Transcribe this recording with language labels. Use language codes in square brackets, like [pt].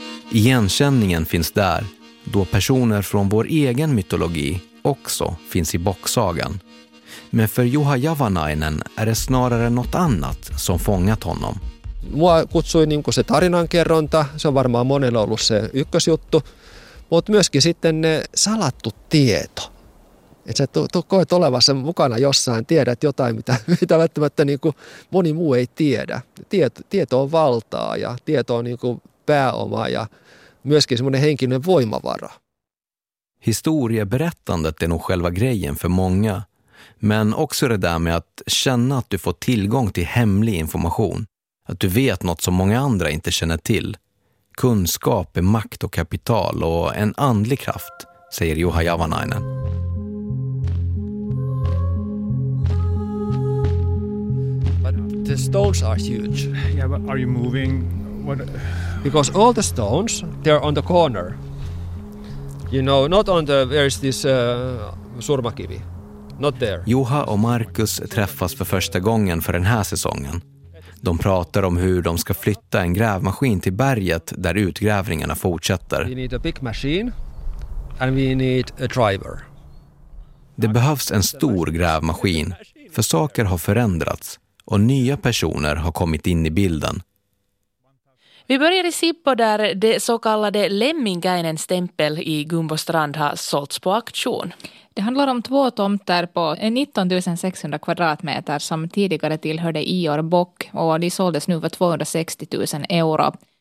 [sv] Igenkänningen finns där, då personer från vår egen mytologi också finns i boksagan. Men för Juha Javanainen är det snarare något annat som fångat honom. [fi] Mua kutsui niin kuin se tarinankerronta, se on varmaan monella ollut se ykkösjuttu, mutta myöskin sitten ne salattu tieto. Että sä koet olevassa mukana jossain, tiedät jotain, mitä välttämättä niin kuin moni muu ei tiedä. Tieto on valtaa ja tieto on niin kuin pääoma ja myöskin semmoinen henkinen voimavara. [sv] Historieberättandet är nog själva grejen för många. Men också det där med att känna att du får tillgång till hemlig information. Att du vet något som många andra inte känner till. Kunskap är makt och kapital och en andlig kraft, säger Juha Javanainen. [en] But the stones are huge. Yeah, but are you moving? What? Because all the stones, they're on the corner. You know, not on the, where is this surmakivi. Not there. [sv] Juha och Marcus träffas för första gången för den här säsongen. De pratar om hur de ska flytta en grävmaskin till berget där utgrävningarna fortsätter. [en] We need a big machine and we need a driver. [sv] Det behövs en stor grävmaskin, för saker har förändrats och nya personer har kommit in i bilden. Vi börjar i Sippo där det så kallade Lemminkäinen stämpel i Gumbostrand har sålts på auktion. Det handlar om två tomter på 19 600 kvadratmeter som tidigare tillhörde Ior Bock och de såldes nu för 260 000 euro.